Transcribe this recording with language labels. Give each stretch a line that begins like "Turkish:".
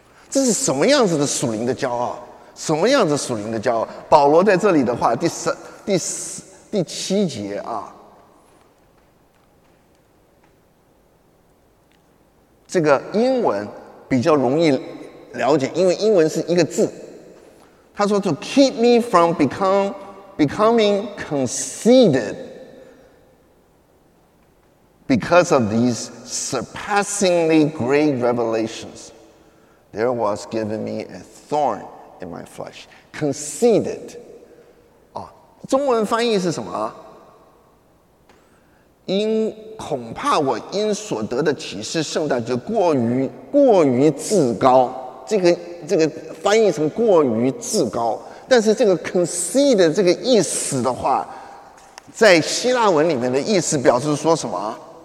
Chinese: 这是什么样子的属灵的骄傲？什么样子属灵的骄傲？保罗在这里的话，第七节啊，这个英文比较容易了解，因为英文是一个字。他说
English: ：“To keep me from becoming conceited because of these.” Surpassingly great revelations, there was given me a thorn in my flesh, conceited.
Chinese: 啊，中文翻译是什么？恐怕我因所得的启示甚大，就过于自高。这个翻译成过于自高，但是这个 conceited 这个意思的话，在希腊文里面的意思表示说什么？